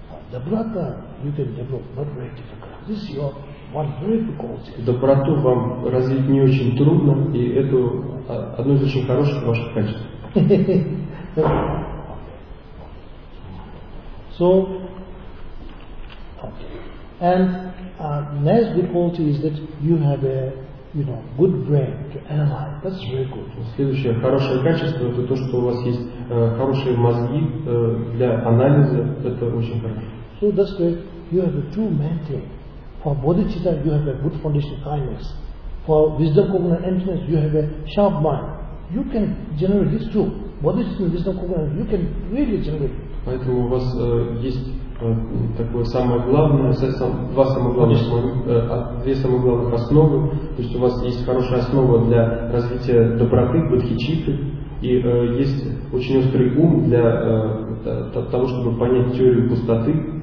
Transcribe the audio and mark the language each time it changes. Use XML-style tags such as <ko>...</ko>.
<ru>Доброта,</ru> <en>you can develop, not very difficult. This is your one very good quality.</en> <ru>Доброту вам развить не очень трудно, и это одно из очень хороших ваших качеств.</ru> <en>So, and next good quality is that you have a, you know, good brain to analyze. That's very good.</en> <ru>Следующее хорошее качество это то, что у вас есть хорошие мозги для анализа. Это очень хорошо.</ru> <en>So that's great. You have a true mentor. For bodhicitta, you have a good foundation of kindness. For wisdom, kogan, and emptiness, you have a sharp mind. You can generate this too. Bodhicitta, wisdom, kogan, you can really generate.</en> <ru>Поэтому у вас есть такое самое главное, два самых главных, две самых главных основы. То есть у вас есть хорошая основа для развития доброты, бодхичитты, и есть очень острый ум для того, чтобы понять теорию пустоты.</ru>